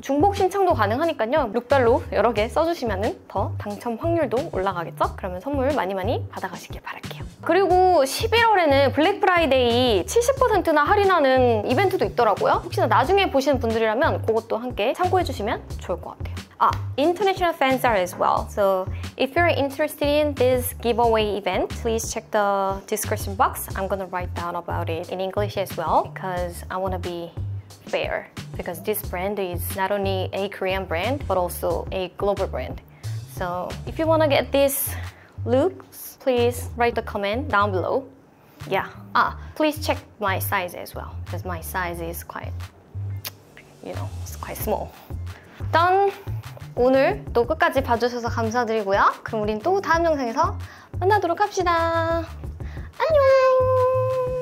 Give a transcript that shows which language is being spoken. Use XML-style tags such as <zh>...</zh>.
<ko>중복 신청도 가능하니까요. 룩별로 여러 개 써주시면 더 당첨 확률도 올라가겠죠? 그러면 선물 많이 많이 받아가시길 바랄게요. 그리고 11월에는 블랙 프라이데이 70%나 할인하는 이벤트도 있더라고요. 혹시나 나중에 보시는 분들이라면 그것도 함께 참고해주시면 좋을 것 같아요.</ko> <en>아, international fans are as well. So if you're interested in this giveaway event, please check the description box. I'm gonna write down about it in English as well because I wanna be fair. Because this brand is not only a Korean brand but also a global brand. So if you wanna get this look, please write the comment down below. Yeah. Ah, please check my size as well. Because my size is quite, you know, it's quite small. Done.</en> <ko>오늘 또 끝까지 봐주셔서 감사드리고요. 그럼 우린 또 다음 영상에서 만나도록 합시다. 안녕.</ko>